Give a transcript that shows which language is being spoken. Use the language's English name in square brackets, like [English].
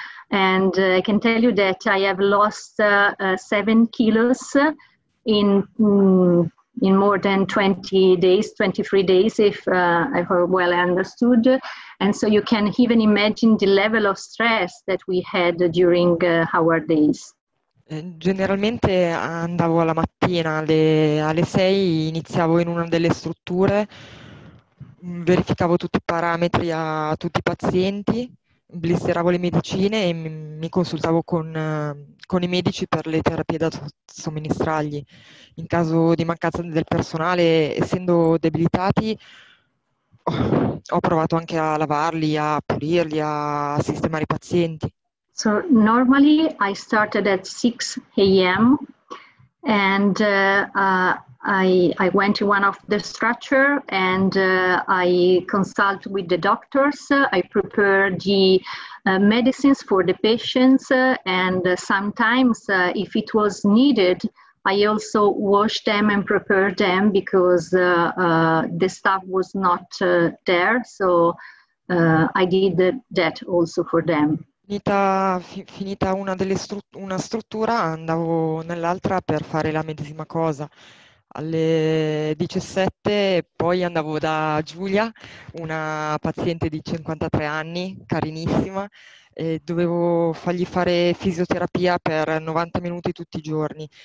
[English] And I can tell you that I have lost 7 kilos in more than 20 days, 23 days, if I well understood. And so you can even imagine the level of stress that we had during our days. [Italian] Generalmente andavo alla mattina alle 6, iniziavo in una delle strutture, verificavo tutti i parametri a tutti i pazienti, blisteravo le medicine e mi consultavo con i medici per le terapie da somministrargli. In caso di mancanza del personale, essendo debilitati, ho provato anche a lavarli, a pulirli, a sistemare i pazienti. [English] So normally I started at 6 a.m. and I went to one of the structure and I consult with the doctors. I prepare the medicines for the patients and sometimes if it was needed, I also wash them and prepare them because the staff was not there. So I did that also for them. [Italian] Finita una struttura, andavo nell'altra per fare la medesima cosa. Alle 17 poi andavo da Giulia, una paziente di 53 anni, carinissima, e dovevo fargli fare fisioterapia per 90 minuti tutti i giorni.